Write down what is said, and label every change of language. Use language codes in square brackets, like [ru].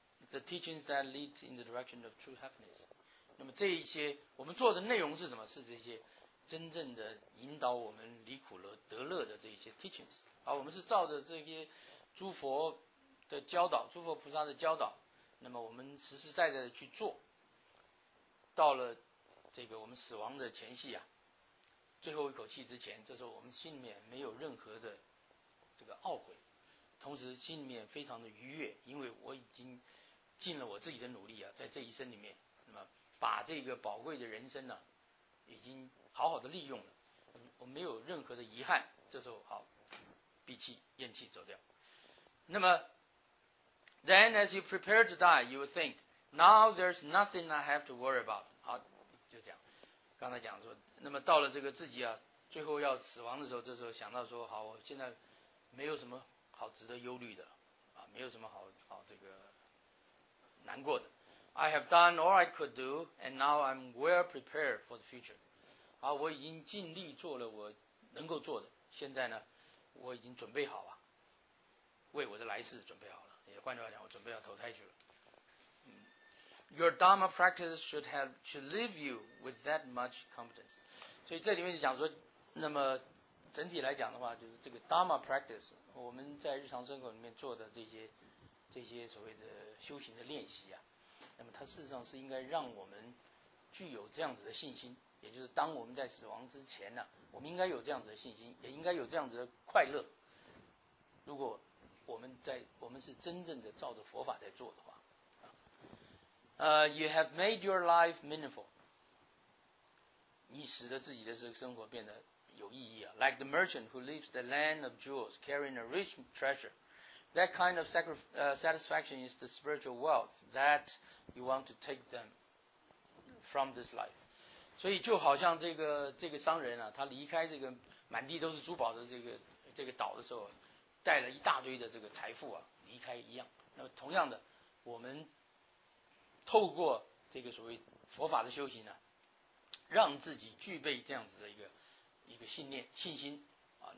[en] The teachings that lead in the direction of true happiness。 [zh] 那么这一些我们做的内容是什么？是这些真正的引导我们离苦乐得乐的这一些 teachings。好，我们是照着这些诸佛的教导，诸佛菩萨的教导，那么我们实实在在的去做，到了这个我们死亡的前夕啊，最后一口气之前，这时候我们心里面没有任何的这个懊悔，同时心里面非常的愉悦，因为我已经尽了我自己的努力啊，在这一生里面，那么把这个宝贵的人生呢、啊，已经好好的利用了，我没有任何的遗憾。这时候好，闭气咽气走掉。 [en] 那么 ，then as you prepare to die, you think now there's nothing I have to worry about。 [zh] 好，就这样。刚才讲说，那么到了这个自己啊，最后要死亡的时候，这时候想到说，好，我现在没有什么好值得忧虑的啊，没有什么好这个难过的。 [en] I have done all I could do, and now I'm well prepared for the future. [zh] 好，我已经尽力做了我能够做的，现在呢，我已经准备好啊，为我的来世准备好了。也换句话讲，我准备要投胎去了。 [en] Your Dharma practice should leave you with that much confidence. [zh] 所以这里面就讲说，那么整体来讲的话，就是这个 Dharma practice， 我们在日常生活里面做的这些所谓的修行的练习啊。那么它事实上是应该让我们具有这样子的信心，也就是当我们在死亡之前呢、啊，我们应该有这样子的信心，也应该有这样子的快乐。如果我们是真正的照着佛法在做的话， [en] you have made your life meaningful， [zh] 你使得自己的这个生活变得有意义啊。 [en] Like the merchant who leaves the land of jewels carrying a rich treasure。 That kind of satisfaction is the spiritual wealth that you want to take them from this life. [zh] 所以就好像这个商人啊，他离开这个满地都是珠宝的这个岛的时候，带了一大堆的这个财富啊离开一样。那么同样的，我们透过这个所谓佛法的修行呢，让自己具备这样子的一个信念信心啊。